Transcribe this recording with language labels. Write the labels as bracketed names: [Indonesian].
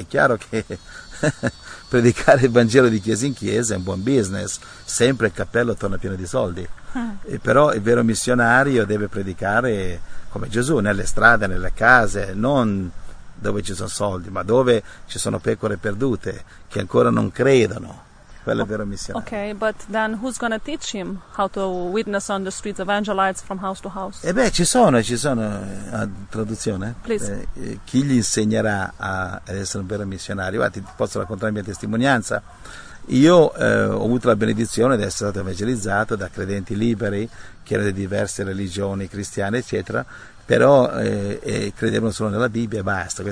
[Italian] È chiaro che predicare il Vangelo di chiesa in chiesa è un buon business, sempre il cappello torna pieno di soldi. Però il vero missionario deve predicare come Gesù, nelle strade, nelle case, non dove ci sono soldi, ma dove ci sono pecore perdute che ancora non credono. Quella è la vera missione. [English] Ok, but then who's gonna teach him how to witness on the streets, evangelize from house to house? [Italian] E beh, ci sono traduzione. [English] Please. [Italian] Chi gli insegnerà ad essere un vero missionario? Guarda, ti posso raccontare la mia testimonianza. Io ho avuto la benedizione di essere stato evangelizzato da credenti liberi, che erano di diverse religioni cristiane, eccetera, però credevano solo nella Bibbia e basta.